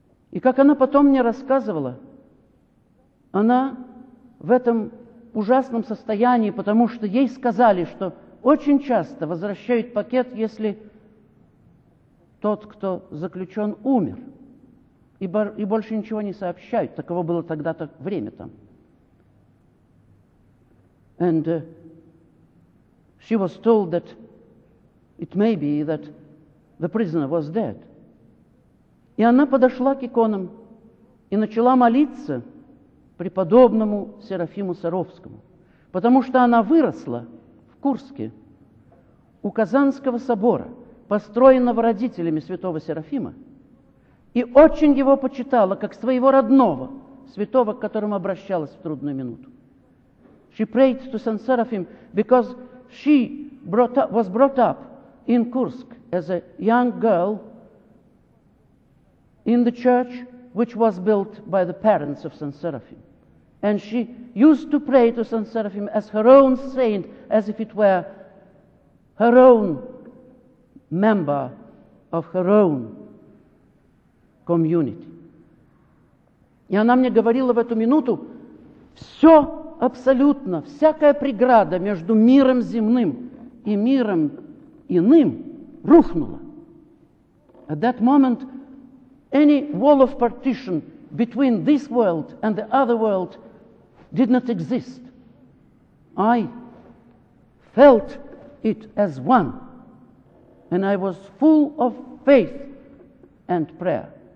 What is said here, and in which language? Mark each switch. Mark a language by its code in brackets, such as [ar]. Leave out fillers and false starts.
[ru] И как она потом мне рассказывала, она в этом ужасном состоянии, потому что ей сказали, что очень часто возвращают пакет, если тот, кто заключен, умер, и больше ничего не сообщают. Таково было тогда-то время там. [en] And she was told that it may be that the prisoner was dead. [ru] И она подошла к иконам и начала молиться преподобному Серафиму Саровскому, потому что она выросла в Курске у Казанского собора, построенного родителями святого Серафима, и очень его почитала как своего родного, святого, к которому обращалась в трудную минуту. [en] She prayed to Saint Seraphim because she was brought up in Kursk as a young girl in the church which was built by the parents of Saint Seraphim. And she used to pray to Saint Seraphim as her own saint, as if it were her own member of her own community. [ru] И она мне говорила в эту минуту: все абсолютно, всякая преграда между миром земным и миром иным рухнула. [en] At that moment, any wall of partition between this world and the other world did not exist. I felt it as one, and I was full of faith and prayer.